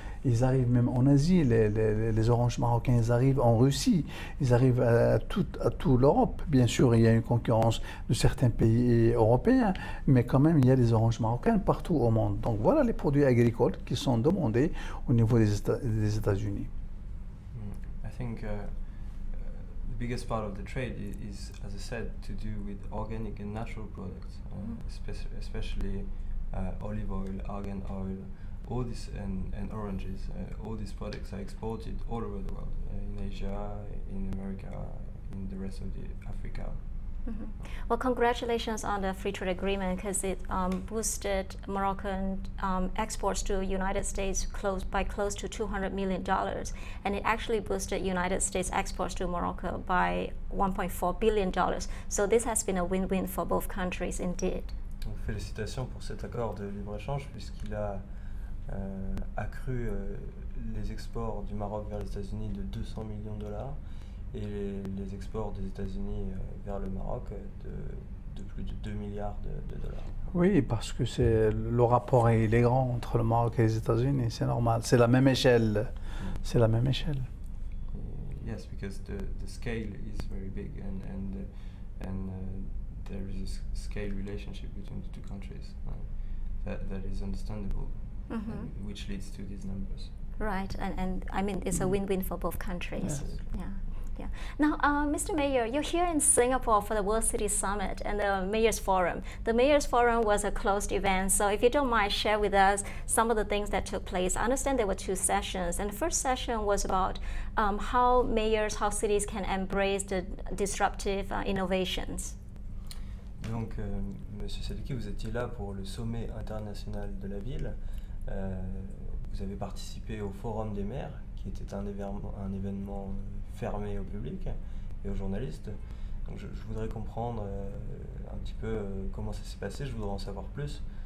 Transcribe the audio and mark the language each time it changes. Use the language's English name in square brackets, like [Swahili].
[French] Ils arrivent même en Asie, les oranges marocaines, ils arrivent en Russie, ils arrivent à toute l'Europe. Bien sûr, il y a une concurrence de certains pays européens, mais quand même, il y a des oranges marocaines partout au monde. Donc voilà les produits agricoles qui sont demandés au niveau des États-Unis. [English] I think the biggest part of the trade is, as I said, to do with organic and natural products, especially olive oil, argan oil. All this and oranges, all these products are exported all over the world, in Asia, in America, in the rest of the Africa. Mm-hmm. Well, congratulations on the free trade agreement, because it boosted Moroccan exports to the United States close to $200 million. And it actually boosted United States exports to Morocco by $1.4 billion. So this has been a win-win for both countries indeed. [French] Donc, félicitations pour cet accord de libre-échange, puisqu'il a accru les exports du Maroc vers les États-Unis de $200 million et les exports des États-Unis vers le Maroc de plus de $2 milliards. Oui, parce que c'est le rapport il est grand entre le Maroc et les États-Unis, c'est normal, c'est la même échelle. C'est la même échelle. [English] Yes, because the scale is very big and there is a scale relationship between the two countries. That is understandable. Mm-hmm. Which leads to these numbers. Right, and I mean, it's a win-win for both countries. Yes. Yeah, yeah. Now, Mr. Mayor, you're here in Singapore for the World City Summit and the Mayor's Forum. The Mayor's Forum was a closed event, so if you don't mind, share with us some of the things that took place. I understand there were two sessions, and the first session was about how cities can embrace the disruptive innovations. [French] Donc, Monsieur Sadiki, vous étiez là pour le sommet international de la ville. Vous avez participé au Forum des maires, qui était un événement fermé au public et aux journalistes. Donc je voudrais comprendre un petit peu comment ça s'est passé, je voudrais en savoir plus.